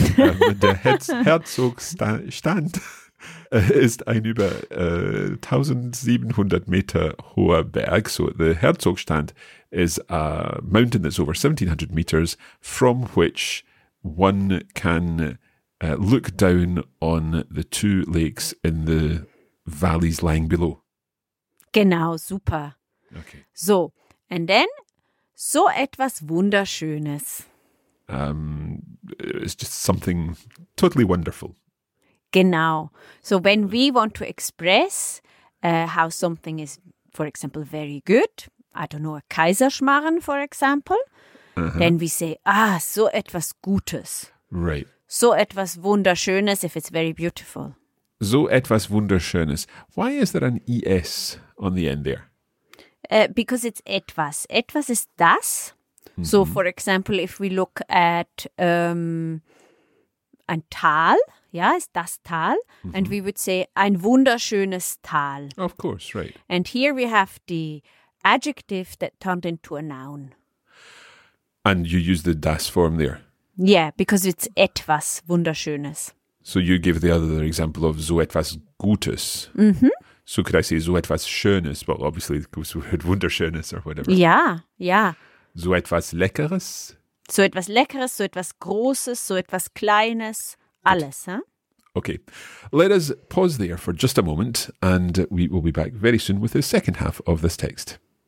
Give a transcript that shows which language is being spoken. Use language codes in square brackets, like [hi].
[de] der Herzogstand ist ein über 1700 Meter hoher Berg. [en] So the Herzogstand is a mountain that's over 1700 meters from which one can look down on the two lakes in the valleys lying below. [de] Genau, super. [en] Okay. So, and then, so etwas Wunderschönes. It's just something totally wonderful. [de] Genau. [en] So when we want to express how something is, for example, very good, I don't know, a Kaiserschmarrn, for example, then we say, [de] so etwas Gutes. [en] Right. [de] So etwas Wunderschönes, [en] if it's very beautiful. [de] So etwas Wunderschönes. [en] Why is there an ES on the end there? Because it's etwas. Etwas is das. Mm-hmm. So, for example, if we look at ein Tal, yeah, [de] ist das Tal, [en] mm-hmm. and we would say [de] ein wunderschönes Tal. [en] Of course, right. And here we have the adjective that turned into a noun. And you use the das form there? Yeah, because it's [de] etwas Wunderschönes. [en] So you give the other example of [de] so etwas Gutes. Mm-hmm. [en] So could I say [de] so etwas Schönes? [en] Well, obviously, because we heard Wunderschönes or whatever. Yeah, yeah. [de] So etwas Leckeres? So etwas Leckeres, so etwas Großes, so etwas Kleines, alles. Huh? [en] Okay, let us pause there for just a moment and we will be back very soon with the second half of this text.